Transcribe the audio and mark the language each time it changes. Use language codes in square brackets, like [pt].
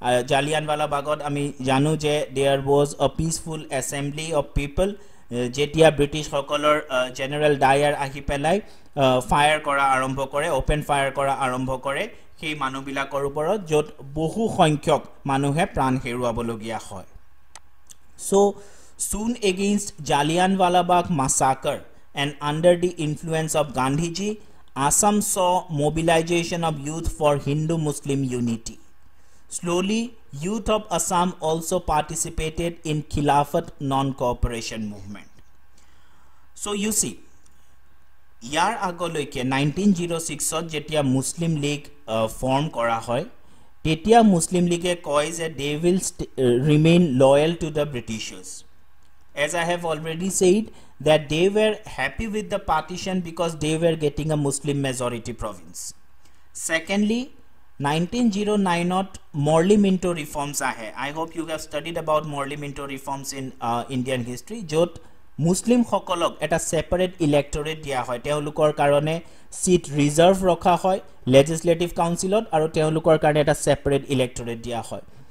[as] জালিয়ানৱালাবাগত আমি জানো যে [en] there was a peaceful assembly of people, [as] যেতিয়া ব্ৰিটিছসকলৰ জেনেৰেল ডায়াৰ আহি পেলাই ফায়াৰ কৰা আৰম্ভ কৰে, অ'পেন ফায়াৰ কৰা আৰম্ভ কৰে সেই মানুহবিলাকৰ ওপৰত, য'ত বহু সংখ্যক মানুহে প্ৰাণ হেৰুৱাবলগীয়া হয়। [en] চ' চুন against Jallianwala Bagh মাছাকাৰ and under the influence of Gandhiji Assam স মোবিলাইজেশ্যন of youth for Hindu Muslim unity. Slowly youth of Assam also participated in খিলাফত non cooperation movement. So U সি ইয়ার [as] আগলৈকে 1906ত যেতিয়া মুসলিম লীগ ফর্ম করা হয় তেতিয়া মুসলিম লীগে কয় যে [en] They will remain loyal to the Britishers. As I have already said that they were happy with the partition because they were getting a Muslim majority province. [as] Secondly 1909ত মৰ্লি Minto reforms আহে। [en] I hope you have studied about Morley Minto reforms in Indian history, [as] য'ত মুছলিমসকলক এটা separate ইলেক্টৰেট দিয়া হয়, তেওঁলোকৰ কাৰণে seat reserve ৰখা হয় legislative কাউন্সিলত আৰু তেওঁলোকৰ কাৰণে এটা ছেপাৰেট ইলেক্টৰেট দিয়া হয়।